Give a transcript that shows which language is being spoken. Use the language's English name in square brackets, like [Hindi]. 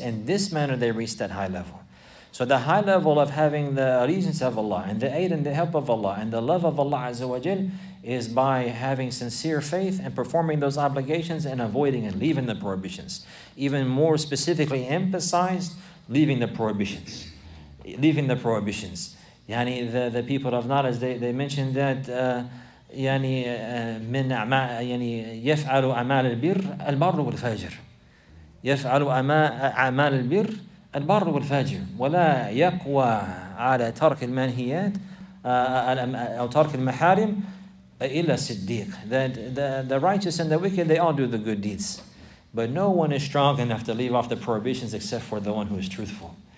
[English] In this manner they reach that high level. So the high level of having the allegiance of Allah and the aid and the help of Allah and the love of Allah Azza wa Jal is by having sincere faith and performing those obligations and avoiding and leaving the prohibitions. Even more specifically emphasized, leaving the prohibitions. Leaving the prohibitions. Yani the people of knowledge, they mentioned that [Arabic] yani min yani yaf'alu amal al-birr wal-fajr. Yaf'alu amal al-birr البر والفاجر ولا يقوى على ترك المنهيات أو ترك المحارم إلا صديق. [English] The righteous and the wicked, they all do the good deeds. But no one is strong enough to leave off the prohibitions except for the one who is truthful.